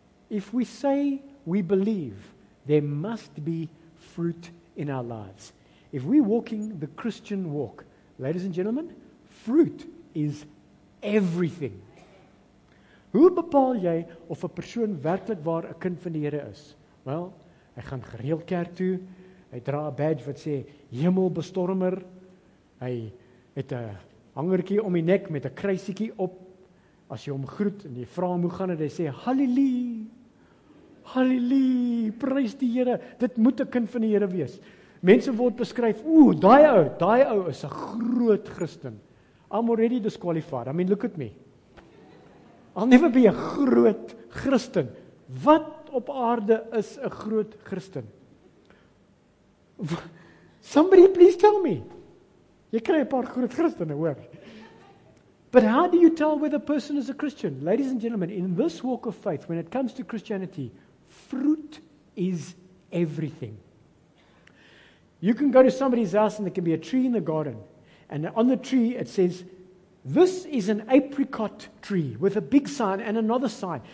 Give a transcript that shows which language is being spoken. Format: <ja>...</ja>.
<en>If we say we believe, there must be fruit in our lives. If we're walking the Christian walk, ladies and gentlemen, fruit is everything.</en> <af>Hoe bepaal jy of 'n persoon werklik waar 'n kind van die Here is? Wel, hy gaan gereeld kerk toe. Hy dra 'n badge wat sê hemelbestormer. Hy het 'n hangertjie om die nek met 'n kruisietjie op. As jy hom groet en jy vra hoe gaan dit, hy sê hallelujah. Hallelujah, prys die Here. Dit moet 'n kind van die Here wees. Mense word beskryf, ooh, daai ou is 'n groot Christen.</af> <en>I'm already disqualified. I mean, look at me. I'll never be a</en> <af>groot Christen. Wat op aarde is 'n groot Christen?</af> <en>Somebody please tell me.</en> <af>Jy kry 'n paar groot Christene, hoor.</af> <en>But how do you tell whether a person is a Christian? Ladies and gentlemen, in this walk of faith, when it comes to Christianity, fruit is everything. You can go to somebody's house and there can be a tree in the garden. And on the tree it says, this is an apricot tree with a big sign and another sign.</en>